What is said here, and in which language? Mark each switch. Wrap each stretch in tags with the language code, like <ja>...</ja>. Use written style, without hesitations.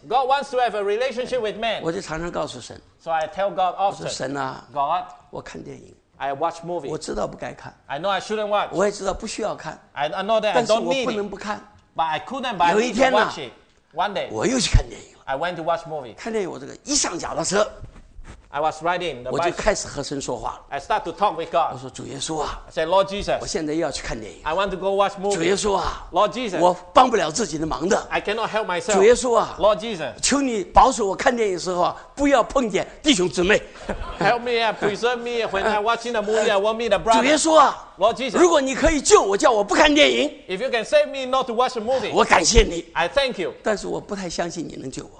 <en>God wants to have a relationship with man</en> <zh>我就常常告诉神</zh> <en>So I tell God often</en> <zh>我说神啊</zh> <en>God</en> <zh>我看电影</zh> <en>I watch movie</en> <zh>我知道不该看</zh> <en>I know I shouldn't watch</en> <zh>我也知道不需要看</zh> <en>I know that I don't need</en> <zh>但是我不能不看</zh> <en>But I couldn't but I need to watch it One day,</en> <zh>我又去看电影了。</zh> <en>I went to watch movie.</en> <zh>看电影，我这个一上脚踏车</zh> <en>，I was riding.</en> <zh>我就开始和神说话了。</zh> <en>I start to talk with God.</en> <zh>我说主耶稣啊</zh> <en>，I said Lord Jesus.</en> <zh>我现在又要去看电影。</zh> <en>I want to go watch movie.</en> <zh>主耶稣啊</zh> <en>，Lord Jesus.</en> <zh>我帮不了自己的忙的。</zh> <en>I cannot help myself.</en> <zh>主耶稣啊</zh> <en>，Lord Jesus.</en> <zh>求你保守我看电影的时候啊，不要碰见弟兄姊妹。</zh> <en>Help me, preserve me when I watching the movie. I won't meet the brother.</en> <zh>主耶稣啊</zh> <en>，Lord Jesus.</en> <zh>如果你可以救我，叫我不看电影。</zh> <en>If you can save me not to watch a movie.</en> <zh>我感谢你。</zh> <en>I thank you.</en> <zh>但是我不太相信你能救我。</zh>